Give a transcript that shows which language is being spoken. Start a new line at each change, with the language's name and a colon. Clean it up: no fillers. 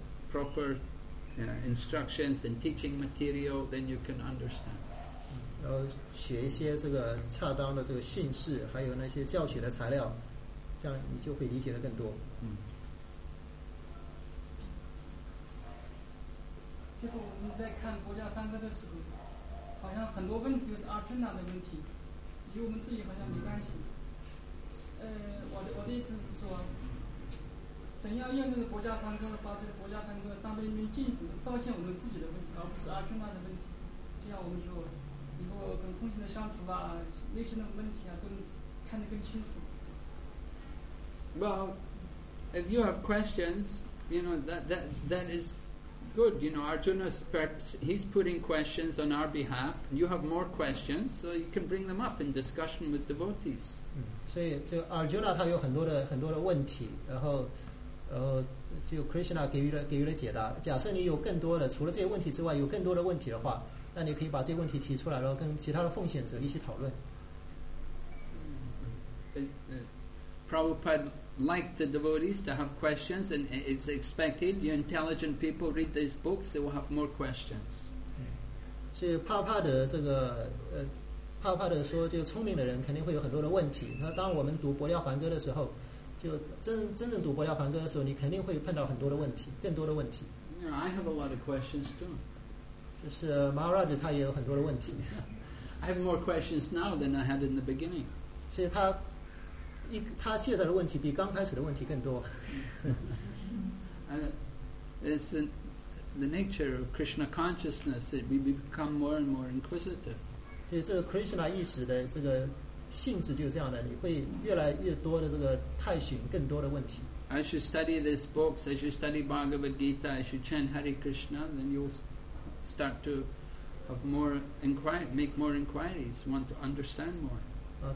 English: Proper instructions and teaching material, then you can understand.
Chinese: 然后学一些这个恰当的这个训示，还有那些教学的材料，这样你就会理解的更多。就是我们在看《般若梵歌》的时候，好像很多问题就是阿尔顿的问题，与我们自己好像没关系。我的意思是说，怎样用这个《般若梵歌》，把这个《般若梵歌》当作一面镜子，照见我们自己的问题，而不是阿尔顿的问题。这样我们就以后跟空性的相处啊，内心的问题啊，都能看得更清楚。
English: Well, if you have questions, you know that is. Good, you know, Arjuna, he's putting questions on our behalf. You have more questions, so you can bring them up in discussion with devotees. So, Arjuna, he has a lot of questions. And Krishna gave you the answer. If you have more questions, if you have more questions, then you can ask these questions and discuss them with other devotees. Prabhupada liked the devotees to have questions, and it's expected. You intelligent people read these books, they will have more questions.
Chinese: So, Prabhupada, 这个Prabhupada 说，就聪明的人肯定会有很多的问题。那当我们读《般若梵歌》的时候，就真正读《般若梵歌》的时候，你肯定会碰到很多的问题，更多的问题。
English: Yeah, I have a lot of questions too.
Chinese: 就是Maharaj 他也有很多的问题。
English: I have more questions now than I had in the beginning.
Chinese: 所以他。他现在的问题比刚开始的问题更多。
English: It's the nature of Krishna consciousness that we become more and more inquisitive.
Chinese: 所以这个 Krishna 意识的这个性质就是这样的，你会越来越多的这个探寻更多的问题。
English: As you study these books, as you study Bhagavad Gita, as you chant Hare Krishna, then you'll start to have more inquiry, make more inquiries, want to understand more.